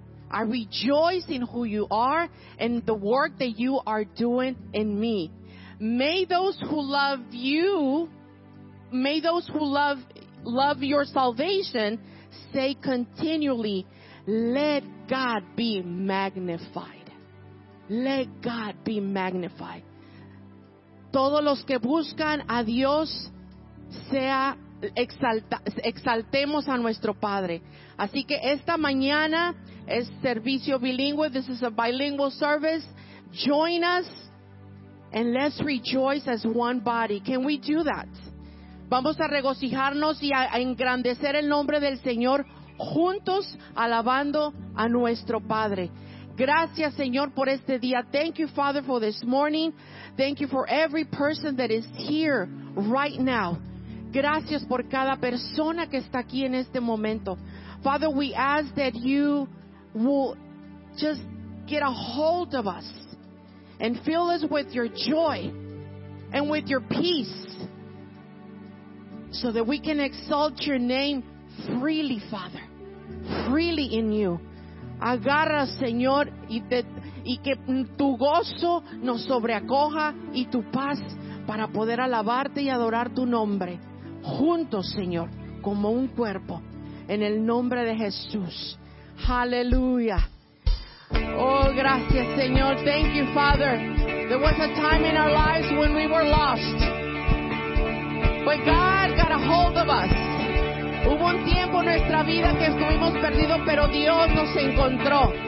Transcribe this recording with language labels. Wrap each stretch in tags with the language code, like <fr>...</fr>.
<en>I rejoice in who you are and the work that you are doing in me. May those who love you, may those who love your salvation say continually, let God be magnified. Let God be magnified.</en> <es>Todos los que buscan a Dios, sea exaltemos a nuestro Padre. Así que esta mañana es servicio bilingüe.</es> <en>This is a bilingual service. Join us and let's rejoice as one body. Can we do that?</en> <es>Vamos a regocijarnos y a engrandecer el nombre del Señor juntos, alabando a nuestro Padre.</es> <en>Gracias, Señor, por este día. Thank you, Father, for this morning. Thank you for every person that is here right now.</en> <es>Gracias por cada persona que está aquí en este momento.</es> <en>Father, we ask that you will just get a hold of us and fill us with your joy and with your peace so that we can exalt your name freely, Father, freely in you.</en> <es>Agarra, Señor, y que tu gozo nos sobreacoja y tu paz para poder alabarte y adorar tu nombre juntos, Señor, como un cuerpo, en el nombre de Jesús.</es> <en>Hallelujah. Oh, gracias, Señor. Thank you, Father. There was a time in our lives when we were lost, but God got a hold of us.</en> <es>Hubo un tiempo en nuestra vida que estuvimos perdidos, pero Dios nos encontró.</es>